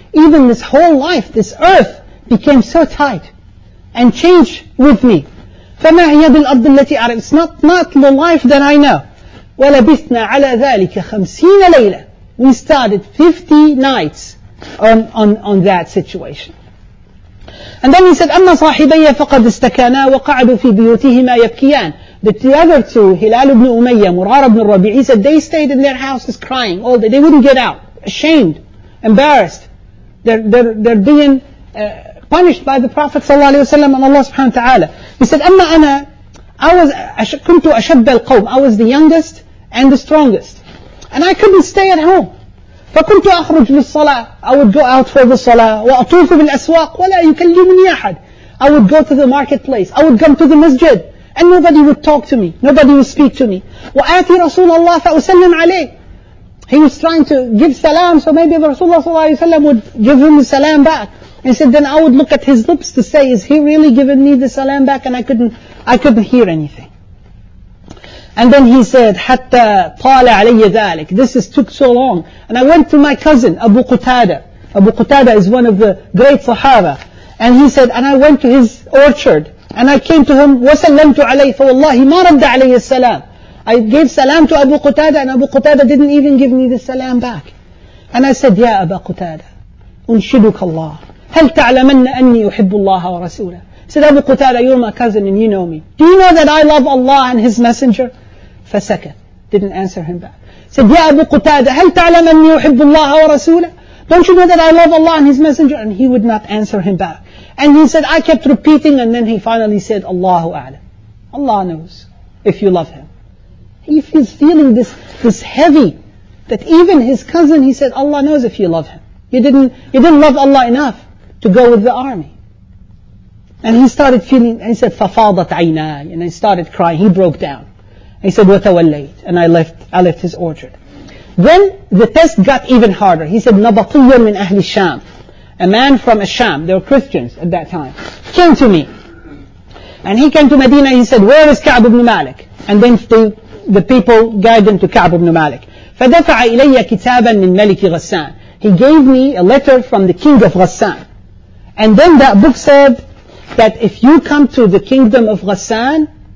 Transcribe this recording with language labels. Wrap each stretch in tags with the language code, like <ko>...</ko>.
<en>Even this whole life, this earth, became so tight and changed with me.</en> <ar>فَمَا هِيَ بِالْأَرْضِ الَّتِي أَعْرِفُ.</ar> <en>It's not the life that I know.</en> <ar>وَلَبِثْنَا عَلَى ذَلِكَ 50 لَيْلَةً.</ar> <en>We started 50 nights on that situation. And then he said,</en> <ar>أَمَّا صَاحِبَيَّ فَقَدْ اسْتَكَانَا وَقَعَدُوا فِي بِيُوتِهِمَا يَبْكِيَانَ.</ar> <en>But the other two, Hilal ibn Umayyah, Murar ibn Rabi', he said, they stayed in their houses crying all day. They wouldn't get out. Ashamed. Embarrassed. They're being punished by the Prophet sallallahu alayhi wa sallam and Allah subhanahu wa ta'ala. He said, أَمَّا أَنَا كُنْتُ أَشَبَّ الْقَوْمِ. I was the youngest and the strongest. And I couldn't stay at home.</en> <ar>فكنت أخرج للصلاة.</ar> <en>I would go out for the صلاة.</en> <ar>وأطوف بالأسواق ولا يكلمني أحد.</ar> <en>I would go to the marketplace. I would come to the masjid. And nobody would talk to me. Nobody would speak to me.</en> <ar>وآتي رسول الله فأسلم عليه.</ar> <en>He was trying to give salam. So maybe the Rasulullah صلى الله عليه وسلم would give him the salam back. He said, then I would look at his lips to say, is he really giving me the salam back? And I couldn't hear anything. And then he said,</en> <ar>حَتَّى طَالَ عَلَيَّ ذَلِكَ.</ar> <en>This is took so long. And I went to my cousin, Abu Qutada. Abu Qutada is one of the great Sahaba. And he said, and I went to his orchard. And I came to him,</en> <ar>وَسَلَّمْتُ عَلَيْهِ فَوَاللَّهِ مَا رَدَّ عَلَيَّ السَّلَامِ.</ar> <en>I gave salam to Abu Qutada, and Abu Qutada didn't even give me the salam back. And I said,</en> <ar>يَا أَبَا قُتَادَ أُنْشِدُكَ اللَّهِ هَلْ تَعْلَمَنَّ أَنِّي يُحِبُّ اللَّهَ وَرَسُولَهُ.</ar> <en>Said Abu Qutada, you're my cousin and you know me. Do you know that I love Allah and His Messenger?</en> <ar>Fasakat. Didn't answer him back. Said, Ya Abu Qutada, هل تعلم أني أحب الله ورسوله?</ar> <en>Don't you know that I love Allah and His Messenger? And he would not answer him back. And he said, I kept repeating and then he finally said, Allahu A'lam. Allah knows if you love Him. He is feeling this heavy that even his cousin, he said, Allah knows if you love Him. You didn't love Allah enough to go with the army. And he started feeling, and he said,</en> <ar>فَفَاضَتْ عَيْنَاي.</ar> <en>And I started crying. He broke down. He said,</en> <ar>وَتَوَلَّيْتْ.</ar> <en>And I left his orchard. Then the test got even harder. He said,</en> <ar>نَبَطِيًّا مِنْ أَهْلِ الشَّامِ.</ar> <en>A man from Asham, they were Christians at that time, came to me. And he came to Medina, he said, where is Ka'b ibn Malik? And then the people guided him to Ka'b ibn Malik.</en> <ar>فَدَفَعَ إِلَيَّ كِتَابًا مِنْ مَلِكِ غَسَّانِ.</ar> <en>He gave me a letter from the king of Ghassan. And then that book said, that if you come to the kingdom of Ghassan,</en>